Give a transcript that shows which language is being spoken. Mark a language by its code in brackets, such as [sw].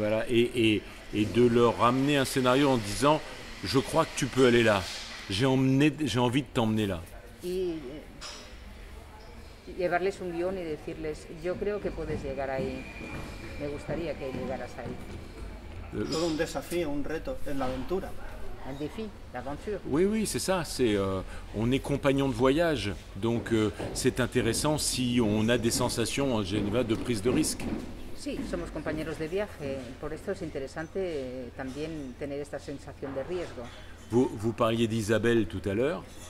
[fr] Et de leur ramener un scénario en disant: je crois que tu peux aller là. J'ai envie de t'emmener là. [es] Y llevarles un guion y decirles: yo creo que puedes llegar ahí. Me gustaría que llegaras ahí. Todo un desafío, un reto, es la aventura. [fr] Un défi, l'aventure. Oui, c'est ça. On est compagnon de voyage. Donc, c'est intéressant si on a des sensations en général de prise de risque. [es] Sí, somos compañeros de viaje. Por esto es interesante también tener esta sensación de riesgo. [fr] Vous parliez d'Isabelle tout à l'heure.